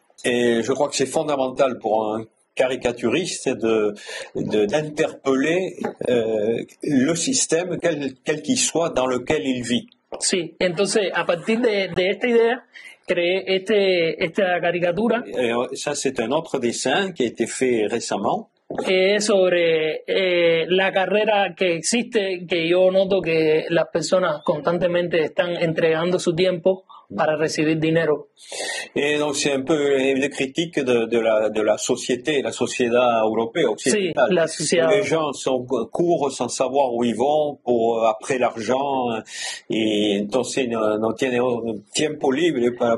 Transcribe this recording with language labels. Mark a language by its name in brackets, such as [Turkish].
[French] Et je crois que c'est fondamental pour un caricaturiste d'interpeller le système, quel qu'il soit, dans lequel il vit. [Spanish] Sí, entonces, a partir de esta idea, creé esta caricatura. [French] Et ça, c'est un autre dessin qui a été fait récemment. [Spanish] Sobre la carrera que existe, que yo noto que las personas constantemente están entregando su tiempo para recibir dinero. [French] Et donc c'est un peu une critique de la société, [Spanish] la sociedad europea [French] occidentale. [Spanish] Sí, la sociedad. [French] Les gens courent sans savoir où ils vont pour après l'argent et [Spanish] entonces no tienen tiempo libre para.